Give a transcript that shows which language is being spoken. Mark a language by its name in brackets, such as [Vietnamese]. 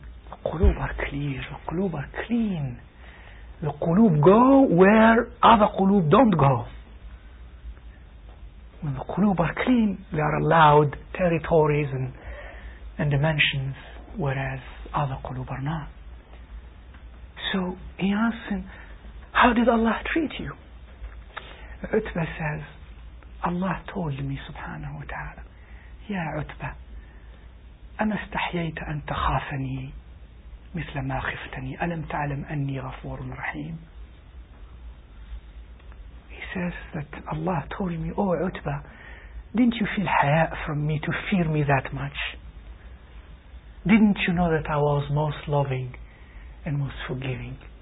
[English] The qulub are clear, the qulub are clean. The qulub go where other qulub don't go. When the qulub are clean, they are allowed territories and dimensions, whereas other qulub are not. So he asks him, how did Allah treat you? Utbah says, Allah told me, subhanahu wa ta'ala, Ya Utbah, [Arabic] أَمَا اسْتَحْيَيْتَ أَن تَخَافَنِي مِثْلَ مَا خِفْتَنِي أَلَمْ تَعْلَمْ أَنِّي غَفُورٌ رَحِيمٌ. [English] He says that Allah told me, Oh Utbah, didn't you feel haya from me to fear me that much? Didn't you know that I was most loving and most forgiving?